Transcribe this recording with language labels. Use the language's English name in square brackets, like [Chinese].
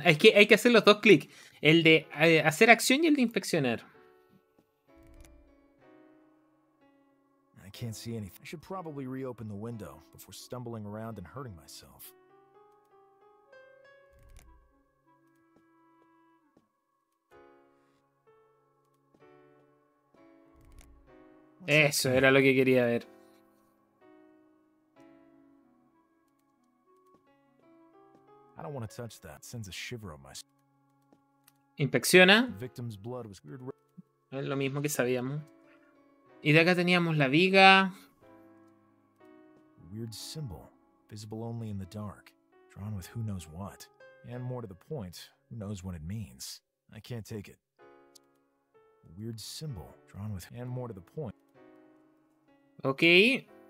[Spanish] Hay que hacer los dos clics: el de hacer acción y el de inspeccionar. [English] I can't see anything. I should probably reopen the window before stumbling around and hurting myself. [Spanish] Eso era lo que quería ver. [English] I don't want to touch that. It sends a shiver on my. [Spanish] Inspecciona. [English] Victim's blood was weird. [Spanish] Es lo mismo que sabíamos. Y de acá teníamos la viga. [English] Weird symbol, visible only in the dark, drawn with who knows what, and more to the point, who knows what it means. I can't take it. Weird symbol, drawn with, and more to the point. Okay.